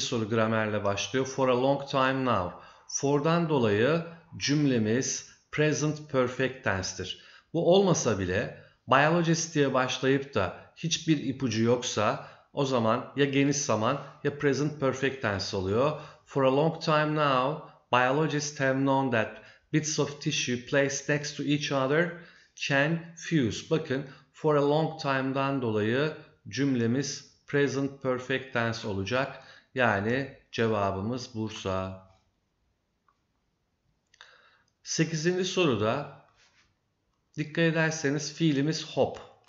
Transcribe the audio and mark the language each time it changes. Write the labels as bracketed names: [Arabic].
[Turkish] soru gramerle başlıyor. [English] For a long time now. [Turkish] For'dan dolayı cümlemiz present perfect tense'tir. Bu olmasa bile biologist diye başlayıp da hiçbir ipucu yoksa o zaman ya geniş zaman ya present perfect tense oluyor. [English] For a long time now, biologists have known that bits of tissue placed next to each other can fuse. [Turkish] Bakın, for a long time'dan dolayı cümlemiz present perfect tense olacak. Yani cevabımız Bursa. 8. soruda dikkat ederseniz fiilimiz hop.